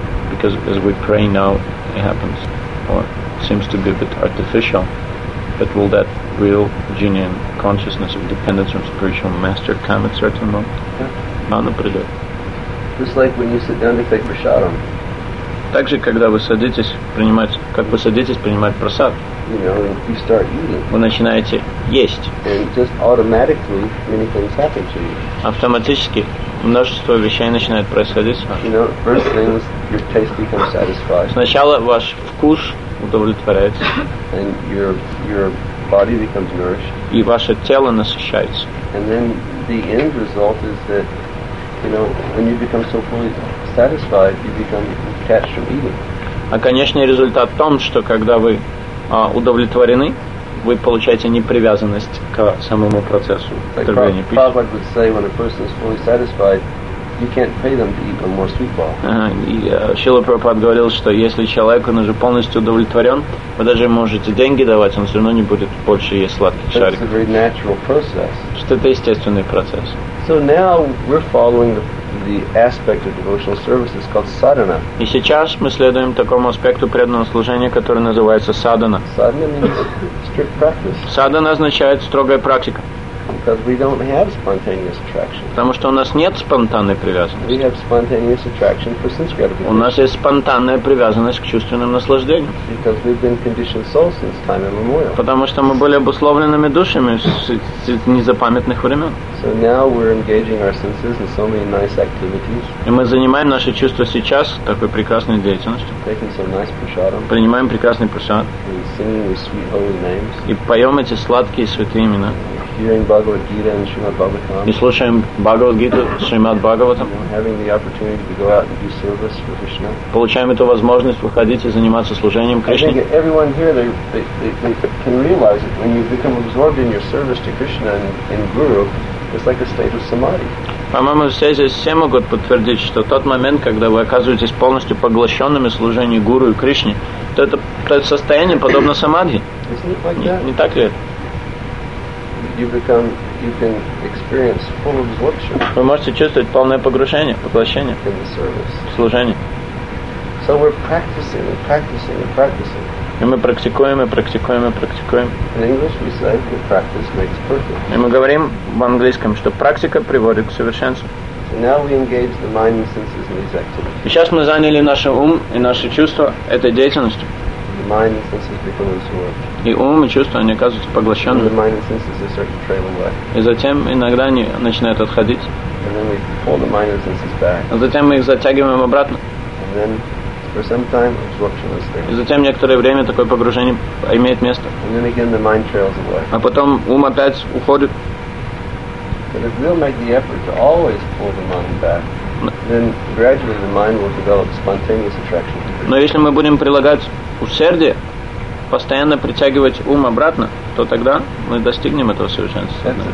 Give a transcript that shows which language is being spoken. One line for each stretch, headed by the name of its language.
English: Because as we pray now, it happens, or? Seems to be a bit artificial, but will that real, genuine consciousness of dependence from spiritual master come at certain moment? Nana prida. Just like when you sit down to take prasadam.
Russian: Так же, когда вы садитесь принимать, как вы садитесь принимать просад.
English: You start eating.
Russian: Вы начинаете есть.
English: And just automatically, many things happen to you.
Russian: Автоматически множество вещей начинает происходить.
English: You know, first thing is your taste becomes satisfied.
Russian: Сначала ваш вкус удовлетворяется.
English: And your body becomes nourished.
Russian: И ваше тело насыщается.
English: And then the end result is that, you know, when you become so fully satisfied, you become detached from eating.
Russian: А конечный результат в том, что когда вы удовлетворены, вы получаете непривязанность к самому процессу потребления пищи.
English: Like Prabhupada would say, when a person is fully satisfied, you can't pay them to eat one more sweet ball.
Russian: Шрила Прабхупада говорил, что если человеку нужен полностью удовлетворен, вы даже можете деньги давать, он все равно не будет больше есть сладких шариков.
English: It's a very natural process.
Russian: Что это естественный процесс.
English: So now we're following the the aspect of devotional service is called sadhana.
Russian: И сейчас мы следуем такому аспекту преданного служения, который называется садхана.
English: Sadhana means strict practice.
Russian: Садхана означает строгая практика.
English: Because we don't have spontaneous attraction.
Russian: Потому что у нас нет спонтанной привязанности.
English: We have spontaneous attraction for sense gratification.
Russian: У нас есть спонтанная привязанность к чувственным наслаждениям.
English: Because we've been conditioned souls since time immemorial.
Russian: Потому что мы были обусловленными душами с незапамятных времен.
English: So now we're engaging our senses in so many nice activities.
Russian: И мы занимаем наши чувства сейчас такой прекрасной деятельностью.
English: Taking some nice prasadam.
Russian: Принимаем прекрасный прасад.
English: And singing these sweet holy names.
Russian: И поем эти сладкие святые имена.
English: Hearing Bhagavad Gita and Srimad Bhagavatam.
Russian: И слушаем Бхагавад Гиту, Шримад Бхагаватам.
English: Having the opportunity to go out and do service for Krishna.
Russian: Получаем эту возможность выходить и заниматься служением Кришне.
English: I think everyone here they can realize it when you become absorbed in your service to Krishna and in Guru, it's like a state of samadhi.
Russian: По-моему, все здесь все могут подтвердить, что тот момент, когда вы оказываетесь полностью поглощенными служением Гуру и Кришне, то это состояние подобно самадхи. Не так ли?
English: You can experience full absorption.
Russian: Вы можете чувствовать полное погружение, поглощение
English: in the service.
Russian: В служении.
English: So we're practicing, practicing, practicing.
Russian: И мы практикуем, и практикуем, и практикуем.
English: In English we say that practice makes perfect.
Russian: И мы говорим в английском, что практика приводит к совершенству.
English: So now we engage the mind and senses in these activities.
Russian: И сейчас мы заняли наш ум и наши чувства этой деятельностью.
English: Mind and senses become absorbed.
Russian: И ум и чувства, они оказываются поглощенными.
English: The mind and senses, they start to trail away.
Russian: И затем иногда они начинают отходить.
English: And then we pull the mind and senses back.
Russian: А затем мы их затягиваем обратно.
English: And then for some time, absorption is there.
Russian: И затем некоторое время такое погружение имеет место.
English: And then again, the mind trails away.
Russian: А потом ум опять уходит.
English: But if we'll make the effort to always pull the mind back, then gradually the mind will develop spontaneous attraction.
Russian: Но если мы будем прилагать усердие, постоянно притягивать ум обратно, то тогда мы достигнем этого совершенства.